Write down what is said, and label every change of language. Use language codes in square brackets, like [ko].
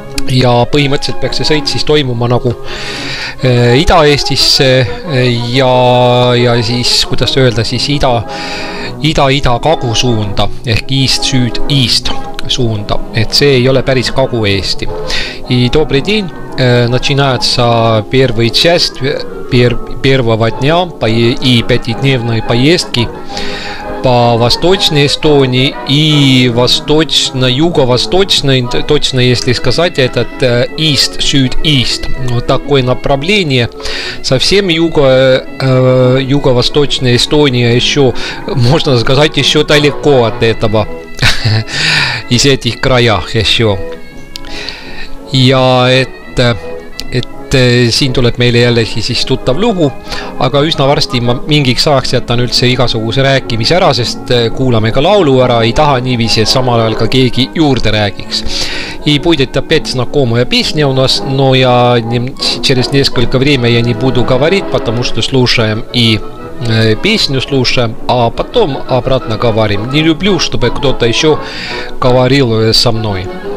[et] Ja põhimõtteliselt peaks see sõit siis toimuma nagu Ida-Eestisse ja siis, kuidas öelda, siis Ida-Kagu-suunda, ehk East-Süd-East-suunda. Et see ei ole päris Kagu-Eesti. [ru] И добрый день, начинается первая часть первого дня и пятидневной поездки по Восточной Эстонии и Восточно-Юго-Восточной, точно если сказать, этот East-Süd-East. Вот такое направление. Совсем Юго-Восточная Эстония еще, можно сказать, еще далеко от этого, из этих краях еще. [et] Ja et siin tuleb meile jälle siis tuttav lugu, aga üsna varsti ma mingiks ajaks jätan üldse igasuguse rääkimise ära, sest kuulame ka laulu ära, ei taha niiviisi, et samal ajal ka keegi juurde räägiks. [ru] И будет опять знакомая песня у нас, но я через несколько времени я не буду говорить, потому что слушаем и песню слушаем, а потом обратно говорим. Не люблю, чтобы кто-то еще говорил со мной.